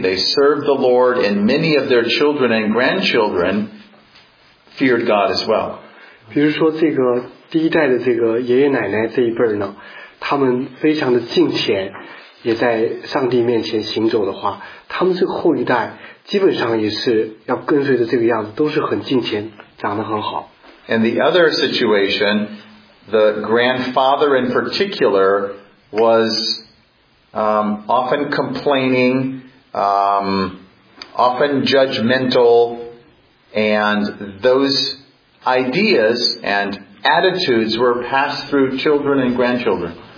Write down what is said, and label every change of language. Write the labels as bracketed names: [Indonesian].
[English] They served the Lord, and many of their children and grandchildren feared God as well. [Chinese] 比如说这个第一代的这个爷爷奶奶这一辈呢，他们非常的敬虔，也在上帝面前行走的话，他们这个后一代基本上也是要跟随着这个样子，都是很敬虔，长得很好。 [English] And the other situation,The grandfather in particular was often complaining, often judgmental, and those ideas and attitudes were passed through children and grandchildren.